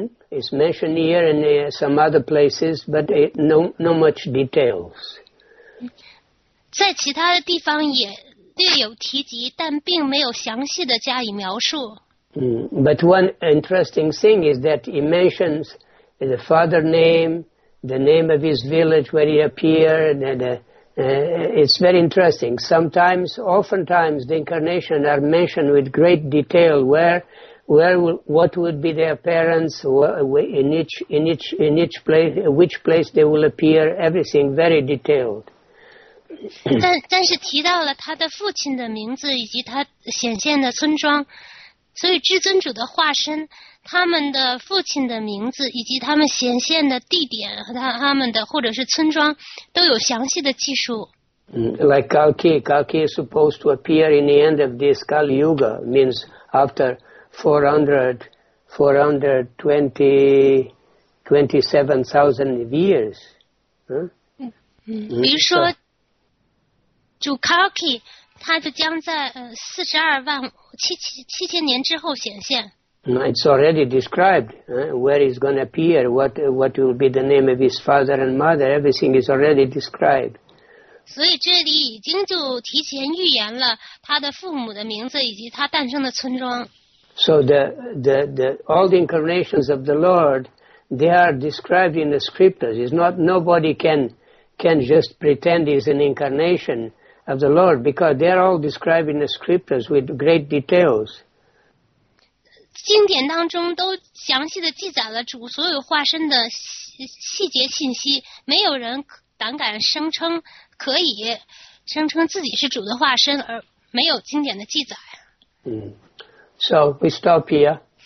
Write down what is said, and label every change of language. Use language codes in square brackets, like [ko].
[en] It's mentioned here and there, some other places, but no much details. [zh] 在其他的地方也略有提及，但并没有详细的加以描述。 [en] But one interesting thing is that he mentions the father name, the name of his village where he appeared, and it's very interesting. Sometimes, oftentimes, the incarnation are mentioned with great detail what would be their parents, in each place, which place they will appear, everything very detailed. [zh] 但是提到了他的父亲的名字以及他显现的村庄，所以至尊主的化身，他们的父亲的名字以及他们显现的地点和他们的或者是村庄都有详细的记述。 [en] Like Kalki is supposed to appear in the end of this Kali Yuga, means after 427,000 years. [zh] 比如说。主 Kalki 他就将在42万7000年之后显现。 [en] It's already described, where he's going to appear, what will be the name of his father and mother, everything is already described. [zh] 所以这里已经就提前预言了他的父母的名字以及他诞生的村庄。 [en] So the all the incarnations of the Lord, they are described in the scriptures. It's not nobody can just pretend he's an incarnation. Of the Lord, because they are all described in the scriptures with great details. [zh] 经典当中都详细的记载了主所有化身的细节信息，没有人胆敢声称自己是主的化身，而没有经典的记载。 [en] So we stop here.